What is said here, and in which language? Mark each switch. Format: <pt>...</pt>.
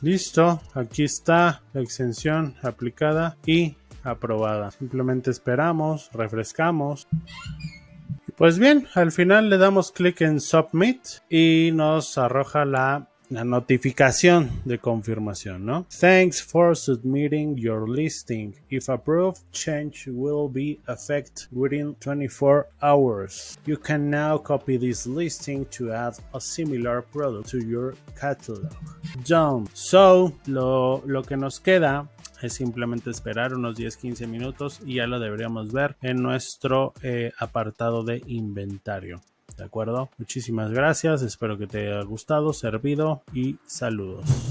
<es>Listo, aquí está la exención aplicada y aprobada. Simplemente esperamos, refrescamos. Pues bien, al final le damos clic en Submit y nos arroja la notificación de confirmación, ¿no?</es> <en>Thanks for submitting your listing. If approved, change will be effect within 24 hours. You can now copy this listing to add a similar product to your catalog. Done.</en> <es>So, lo que nos queda es simplemente esperar unos 10-15 minutos y ya lo deberíamos ver en nuestro apartado de inventario. ¿De acuerdo? Muchísimas gracias. Espero que te haya gustado, servido y saludos.</es>